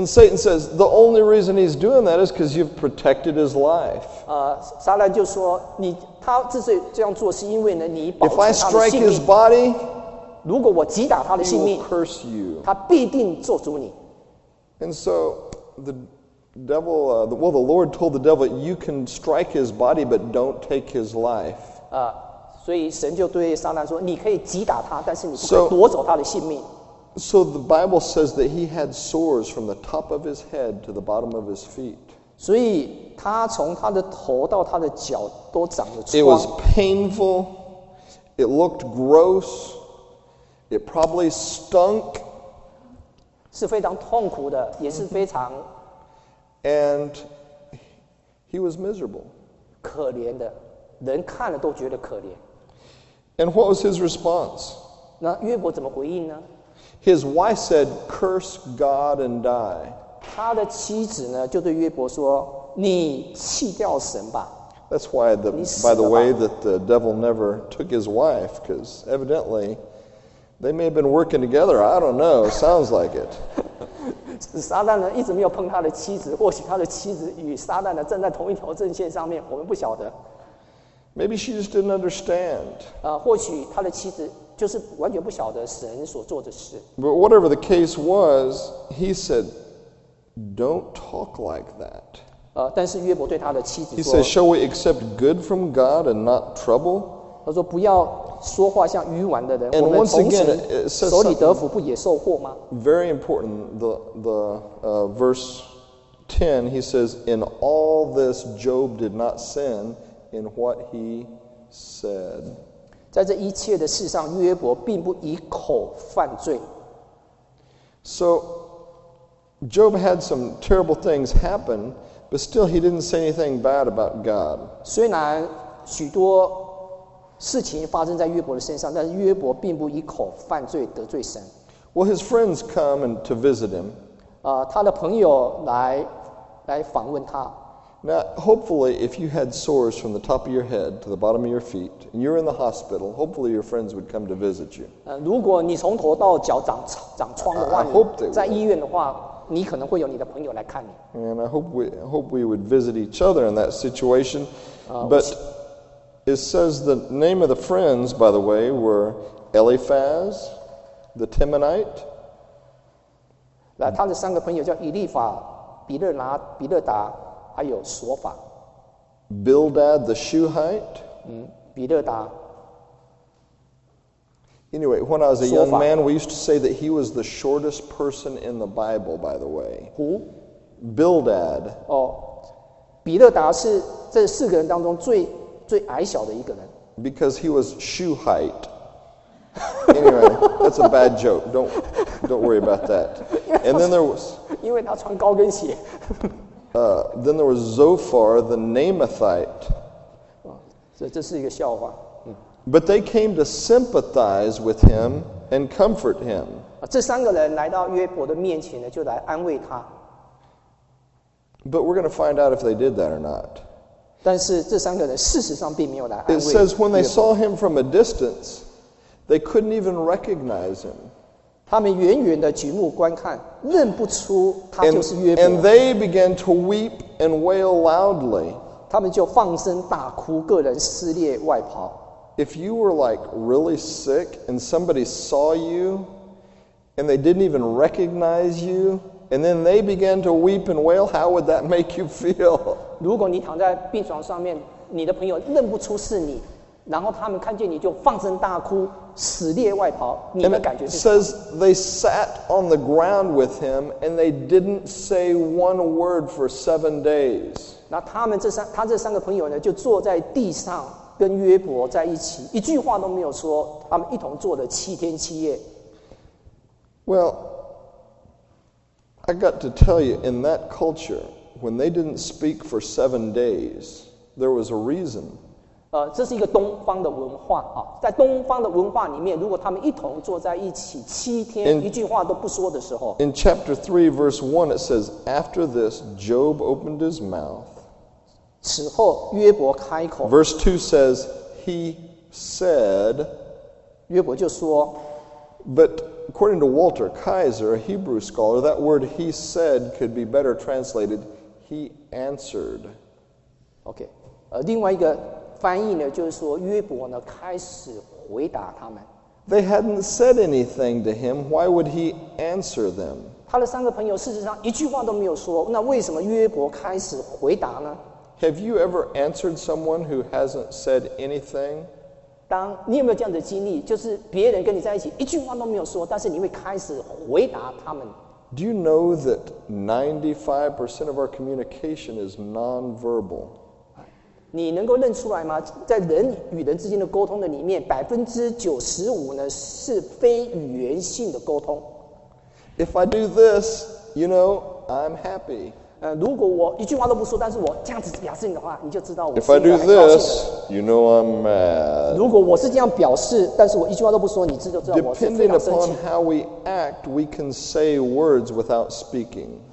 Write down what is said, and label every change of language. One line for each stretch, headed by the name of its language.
English: And Satan says the only reason he's doing that is because you've protected his life.
Chinese: 撒旦就说，你他之所以这样做，是因为呢，你保全他的性命。
English: If I strike his body,
Chinese: 如果我击打他的性命，
English: he will curse you.
Chinese: 他必定咒诅你。
English: And so the devil, well, the Lord told the devil, you can strike his body, but don't take his life.
Chinese: 所以神就对撒旦说，你可以击打他，但是你不可以夺走他的性命。
English: So the Bible says that he had sores from the top of his head to the bottom of his feet.
Chinese: 所以他从他的头到他的脚都长了疮。
English: It was painful. It looked gross. It probably stunk.
Chinese: 是非常痛苦的，也是非常。
English: And he was miserable.
Chinese: 可怜的，人看了都觉得可怜。
English: And what was his response?
Chinese: 那约伯怎么回应呢？
English: His wife said, curse God and die.
Chinese: 他的妻子呢就对约伯说，你弃掉神吧。
English: That's why, by the way, that the devil never took his wife, because evidently they may have been working together. I don't know. Sounds like it.
Chinese: 撒旦呢一直没有碰他的妻子，或许他的妻子与撒旦呢站在同一条阵线上面，我们不晓得。
English: Maybe she just didn't understand.
Chinese: 或许他的妻子就是完全不晓得神所做的事。
English: But whatever the case was, he said, "Don't talk like that."
Chinese: 但是约伯对他的妻子说
English: ，He said, "Shall we accept good from God and not trouble?"
Chinese: 他说不要说话像愚顽的人。
English: And once again, it says something.
Chinese: 所以得福不也受祸吗
English: ？Very important. Verse 10, he says, "In all this, Job did not sin." In what he said,
Chinese: 在这一切的事上，约伯并不以口犯罪。
English: So, Job had some terrible things happen, but still he didn't say anything bad about God.
Chinese: 虽然许多事情发生在约伯的身上，但是约伯并不以口犯罪得罪神。
English: Well, his friends come and to visit him.
Chinese: 他的朋友来访问他。
English: Now, hopefully, if you had sores from the top of your head to the bottom of your feet, and you're in the hospital, hopefully your friends would come to visit you.
Chinese: 如果你从头到脚长疮的话，
English: I hope they
Chinese: 在医院的话，你可能会有你的朋友来看你。
English: And I hope we would visit each other in that situation. But it says the name of the friends, by the way, were Eliphaz, the Temanite.
Chinese: 来，他的三个朋友叫以利法、比勒达。还有说法
English: Bildad the Shuhite.
Chinese: 比勒达。
English: Anyway, when I was a young man, we used to say that he was the shortest person in the Bible. By the way, who? Bildad.
Chinese: 比勒达是这四个人当中最矮小的一个人。
English: Because he was Shuhite. Anyway, that's a bad joke. Don't worry about that. And then there was.
Chinese: 因为他穿高跟鞋。
English: Then there was Zophar, the Namathite.
Chinese: 这是一个笑话。
English: But they came to sympathize with him and comfort him.
Chinese: 这三个人来到约伯的面前呢，就来安慰他。
English: But we're going to find out if they did that or not.
Chinese: 但是这三个人事实上并没有来安慰。
English: It says when they saw him from a distance, they couldn't even recognize him.
Chinese: 他们远远的举目观看，认不出他就是约伯。
English: And they began to weep and wail loudly.
Chinese: 他们就放声大哭，个人撕裂外袍。
English: If you were like really sick and somebody saw you, and they didn't even recognize you, and then they began to weep and wail, how would that make you feel?
Chinese: 如果你躺在病床上面，你的朋友认不出是你。然后他们看见你就放声大哭，撕裂外袍。你的感觉是什么
English: ？Says they sat on the ground with him and they didn't say one word for 7 days.
Chinese: 那他这三个朋友呢，就坐在地上跟约伯在一起，一句话都没有说。他们一同坐了7天7夜。
English: Well, I got to tell you, in that culture, when they didn't speak for 7 days, there was a reason.
Chinese: 这是一个东方的文化啊，在东方的文化里面，如果他们一同坐在一起7天，
English: in,
Chinese: 一句话都不说的时候
English: ，In chapter 3:1 it says, "After this, Job opened his mouth."
Chinese: 此后，约伯开口。
English: Verse 2 says, "He said."
Chinese: 约伯就说。
English: But according to Walter Kaiser, a Hebrew scholar, that word "he said" could be better translated, "he answered."
Chinese: Okay, 另外一个。翻译呢，就是说约伯呢开始回答他们。
English: They hadn't said anything to him. Why would he answer them?
Chinese: 他的三个朋友事实上一句话都没有说，那为什么约伯开始回答呢
English: ？Have you ever answered someone who hasn't said anything?
Chinese: 当你有没有这样的经历，就是别人跟你在一起一句话都没有说，但是你会开始回答他们
English: ？Do you know that 95% of our communication is non-verbal?
Chinese: 你能够认出来吗？在人与人之间的沟通的里面，95%呢是非语言性的沟通。
English: If I do this, you know, I'm happy.
Chinese: 如果我一句话都不说，但是我这样子表示你的话，你就知道我是一个很高兴的人。
English: If I do this, you know I'm mad.
Chinese: 如果我是这样表示，但是我一句话都不说，你这就知道我是非常生气。
English: Depending upon how we act, we can say words without speaking.